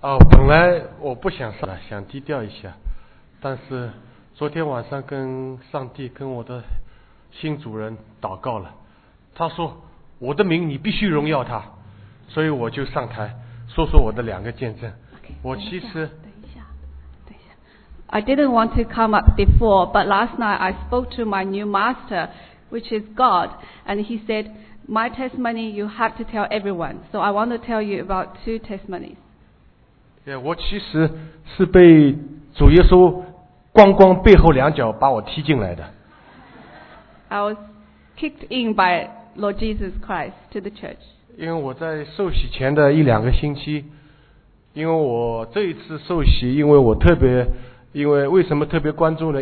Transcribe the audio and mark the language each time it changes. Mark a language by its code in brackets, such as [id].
[zh] 本来我不想上，想低调一下，但是昨天晚上跟上帝跟我的新主人祷告了，他说我的名你必须荣耀他，所以我就上台说说我的两个见证。我其实等一下 [en] I didn't want to come up before, but last night I spoke to my new master, which is God, and he said my testimony you have to tell everyone, so I want to tell you about two testimonies. [zh] Yeah, 我其实是被主耶稣光光背后两脚把我踢进来的。 [en] I was kicked in by Lord Jesus Christ to the church. [zh] 因为我在受洗前的一两个星期，因为我这一次受洗，因为我特别，因为为什么特别关注呢？